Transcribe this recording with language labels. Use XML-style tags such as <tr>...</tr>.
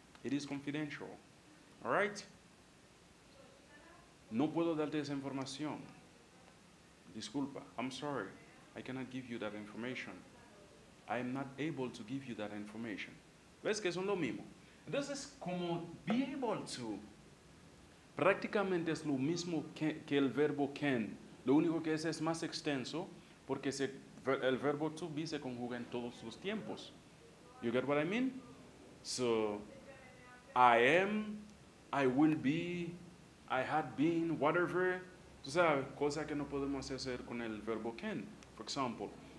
<en>It is confidential. All right?</en> <es>No puedo darte esa información. Disculpa.</es> <en>I'm sorry. I cannot give you that information. I am not able to give you that information.</en> <es>¿Ves que son lo mismo?</es> <en>This is</en> <es>como</es> <en>be able to.</en> <es>Prácticamente es lo mismo que el verbo can. Lo único que es más extenso porque el verbo to be se conjuga en todos los tiempos.</es> <en>You get what I mean? So, I am, I will be, I had been, whatever.</en> <es>Tú sabes, cosas que no podemos hacer con el verbo can,</es> <en>for example.</en>